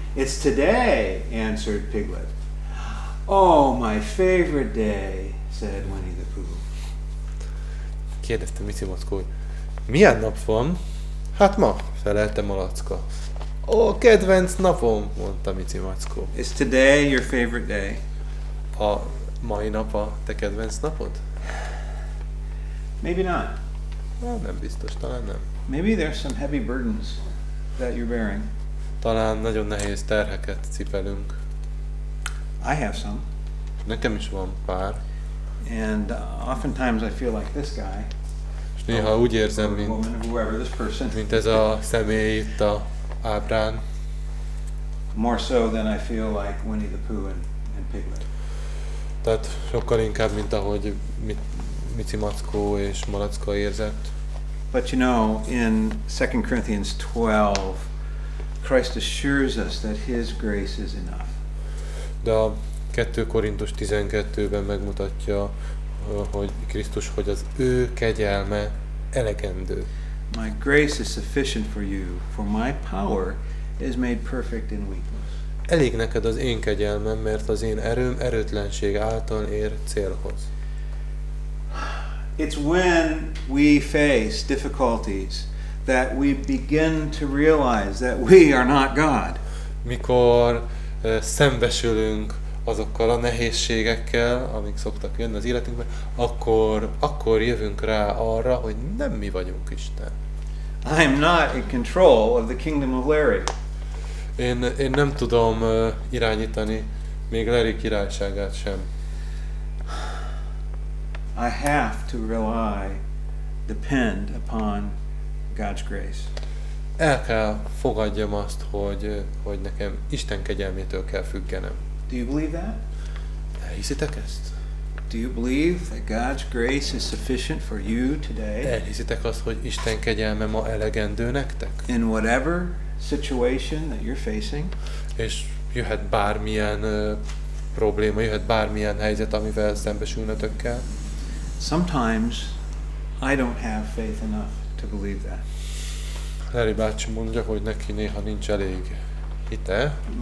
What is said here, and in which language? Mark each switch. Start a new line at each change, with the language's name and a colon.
English: It's today, answered Piglet. Oh, my favorite day, said Winnie the Pooh.
Hungarian: Kérdezte Mici Mackó, hogy milyen nap van? Hát ma, felelte Malacka. Ó, kedvenc napom, mondta Mici Mackó.
English: Is today your favorite day?
Hungarian: A mai nap a te kedvenc napod?
English: Maybe not.
Hungarian: Nem biztos, talán nem.
English: Maybe there's some heavy burdens that you're bearing.
Hungarian: Talán nagyon nehéz terheket cipelünk.
English: I have some.
Hungarian: Nekem is van pár.
English: And oftentimes I feel like this guy.
Hungarian: És néha úgy érzem, mint ez a személy itt a ábrán.
English: More so than I feel like Winnie the Pooh and Piglet.
Hungarian: Tehát sokkal inkább, mint ahogy Mici Mackó és Malacka érzett.
English: But you know, in 2 Corinthians 12, Christ assures us that His grace is enough.
Hungarian: De a 2 Korintus 12-ben megmutatja, hogy Krisztus, hogy az ő kegyelme elegendő.
English: My grace is sufficient for you, for my power is made perfect in weakness.
Hungarian: Elég neked az én kegyelmem, mert az én erőm erőtlenség által ér célhoz.
English: It's when we face difficulties that we begin to realize that we are not God.
Hungarian: Mikor szembesülünk azokkal a nehézségekkel, amik szoktak jönni az életünkben, akkor jövünk rá arra, hogy nem mi vagyunk Isten.
English: I am not in control of the kingdom of Larry.
Hungarian: Én nem tudom irányítani még Larry királyságát sem.
English: I have to rely, depend upon God's grace.
Hungarian: El kell fogadjam azt, hogy nekem Isten kegyelmétől kell függenem.
English: Do you believe that?
Hungarian: Elhiszitek ezt?
English: Do you believe that God's grace is sufficient for you today?
Hungarian: Elhiszitek azt, hogy Isten kegyelme ma elegendő nektek?
English: In whatever situation that you're facing.
Hungarian: És jöhet bármilyen probléma, jöhet bármilyen helyzet, amivel szembesülnötök kell.
English: Sometimes I don't have faith enough to believe that.
Hungarian: Larry bácsi mondja, hogy neki néha nincs elég hite,